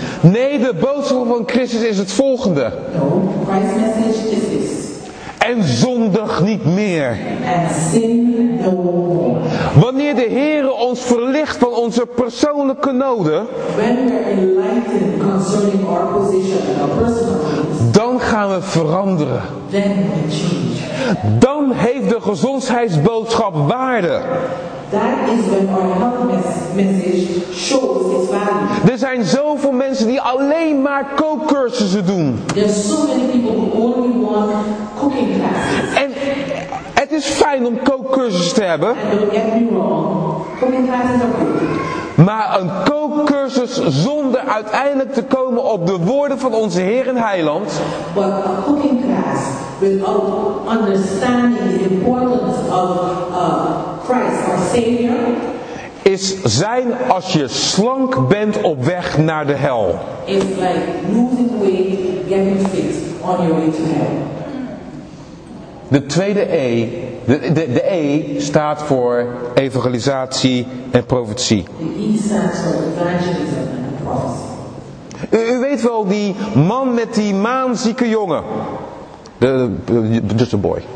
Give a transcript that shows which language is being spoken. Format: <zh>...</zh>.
<nl>Nee, de boodschap van Christus is het volgende.</nl> <en>No, Christ's message is this.</en> <nl>En zondig niet meer.</nl> <en>And sin no more.</en> <nl>Wanneer de Heere ons verlicht van onze persoonlijke noden.</nl> <en>When we are enlightened concerning our position and our personal needs.</en> <nl>Dan gaan we veranderen.</nl> <en>Then we change.</en> <nl>Dan heeft de gezondheidsboodschap waarde.</nl> <en>That is when our health message shows its value.</en> <nl>Er zijn zoveel mensen die alleen maar kookcursussen doen.</nl> <en>There are so many people who only want cooking classes.</en> <nl>En het is fijn om kookcursussen te hebben.</nl> <en>Don't get me wrong. Cooking classes are good.</en> <nl>Maar een kookcursus zonder uiteindelijk te komen op de woorden van onze Heer en Heiland.</nl> <en>But a cooking class without understanding the importance of Christ, our Savior.</en> <nl>Is zijn als je slank bent op weg naar de hel.</nl> <en>It's like losing weight, getting fit on your way to hell.</en> <nl>De tweede E. De E staat voor evangelisatie en profetie.</nl> <en>The E stands for evangelism and prophecy.</en> <nl>U weet wel die man met die maanzieke jongen.</nl> <en>Just a boy.</en>